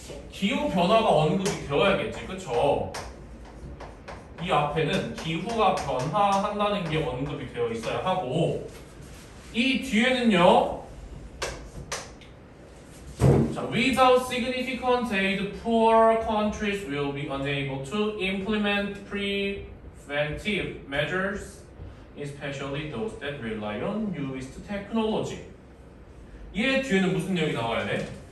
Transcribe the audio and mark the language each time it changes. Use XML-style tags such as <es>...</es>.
<ko>기후 변화가 언급이 되어야겠지. 그쵸? 이 앞에는 기후가 변화한다는 게 언급이 되어 있어야 하고 이 뒤에는요.</ko> <en>자, without significant aid, poor countries will be unable to implement preventive measures, especially those that rely on newest technology.</en> <ko>이 뒤에는 무슨 내용이 나와야 돼?</ko>